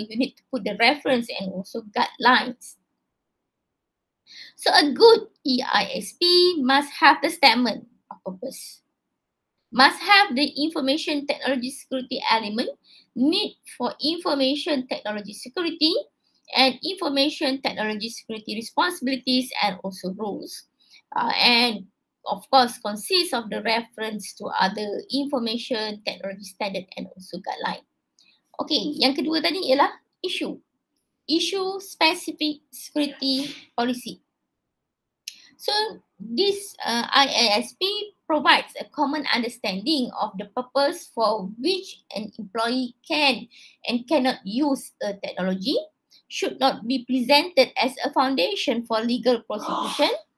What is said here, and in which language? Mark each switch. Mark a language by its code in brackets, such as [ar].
[en] You need to put the reference and also guidelines. So a good EISP must have the statement of purpose, must have the information technology security element, need for information technology security, and information technology security responsibilities and also rules. And of course, consists of the reference to other information, technology standard and also guideline. [ms] Okay, yang kedua tadi ialah issue. [en] Issue specific security policy. So, this IASP provides a common understanding of the purpose for which an employee can and cannot use a technology, should not be presented as a foundation for legal prosecution,